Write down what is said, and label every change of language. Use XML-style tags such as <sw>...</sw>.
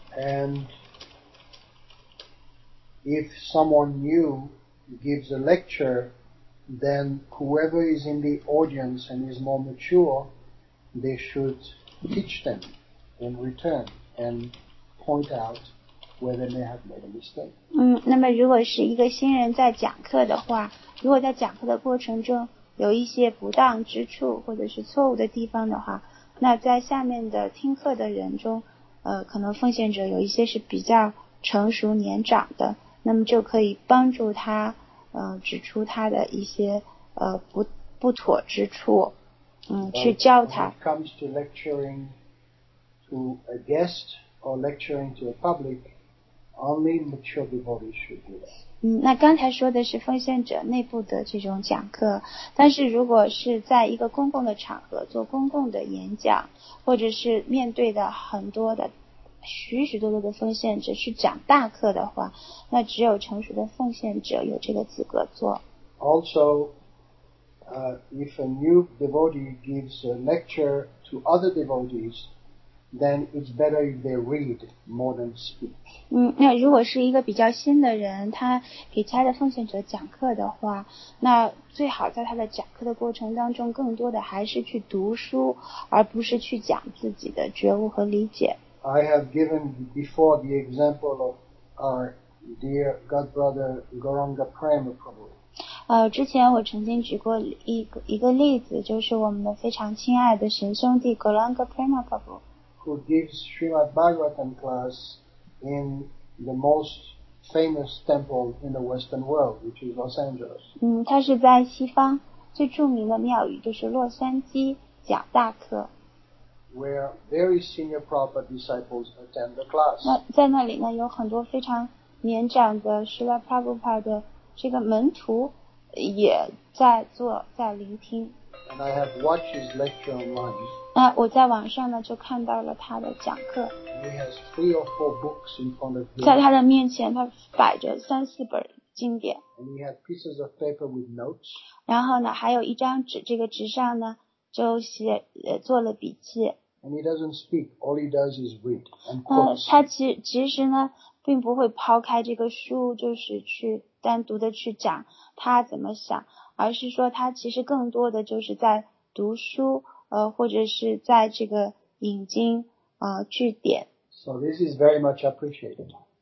<en>And if someone new gives a lecture, then whoever is in the audience and is more mature, they should teach them in return and point out where they may have made a mistake.</en> <zh>那么如果是一个新人在讲课的话，如果在讲课的过程中有一些不当之处或者是错误的地方的话，那在下面的听课的人中，可能奉献者有一些是比较成熟年长的，那么就可以帮助他，指出他的一些不妥之处，去教他。</zh> <en>When it comes to lecturing to a guest or lecturing to a public, only mature devotees should do that.</en> <zh>那刚才说的是奉献者内部的这种讲课，但是如果是在一个公共的场合做公共的演讲，或者是面对的很多的许许多多的奉献者去讲大课的话，那只有成熟的奉献者有这个资格做。</zh> <en>Also, if a new devotee gives a lecture to other devotees, then it's better if they read more than speak.</en> <zh>那如果是一个比较新的人，他给其他的奉献者讲课的话，那最好在他的讲课的过程当中，更多的还是去读书，而不是去讲自己的觉悟和理解。</zh> <en>I have given before the example of our dear God brother Gauranga Prema Prabhu.</en> <zh>之前我曾经举过一个例子，就是我们的非常亲爱的神兄弟 Gauranga Prema Prabhu,</zh> <en>who gives Srimad Bhagavatam class in the most famous temple in the Western world, which is Los Angeles.</en> <zh>他是在西方最著名的庙宇，就是洛杉矶讲大课。</zh> <en>Where very senior Prabhupada disciples attend the class.</en> <zh>那在那里呢，有很多非常年长的 Srila Prabhupada 的这个门徒也在做，在聆听。</zh> <en>And I have watched his lecture online.</en> <zh>我在网上呢就看到了他的讲课。</zh> <en>He has 3 or 4 books in front of him.</en> <zh>在他的面前，他摆着三四本经典。</zh> <en>And he has pieces of paper with notes.</en> <zh>然后呢，还有一张纸，这个纸上呢。就写做了笔记。</zh> <en>And he doesn't speak, all he does is read and quote.</en> <zh>他其实呢并不会抛开这个书就是去单独的去讲他怎么想，而是说他其实更多的就是在读书，或者是在这个引经据典。</zh> <en>So this is very much appreciated.</en>